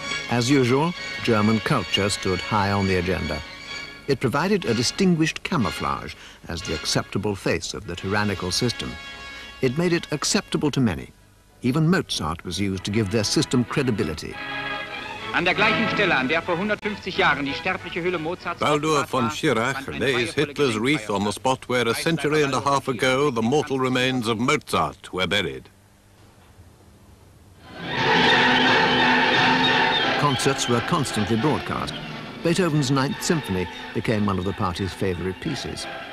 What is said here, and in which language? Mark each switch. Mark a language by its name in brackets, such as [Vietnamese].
[English] As usual, German culture stood high on the agenda. It provided a distinguished camouflage as the acceptable face of the tyrannical system. It made it acceptable to many. Even Mozart was used to give their system credibility. [German] An der gleichen Stelle, an der vor 150 Jahren die sterbliche Hülle Mozarts... [English] Baldur von Schirach lays Hitler's wreath on the spot where a century and a half ago the mortal remains of Mozart were buried. Concerts were constantly broadcast. Beethoven's Ninth Symphony became one of the party's favorite pieces.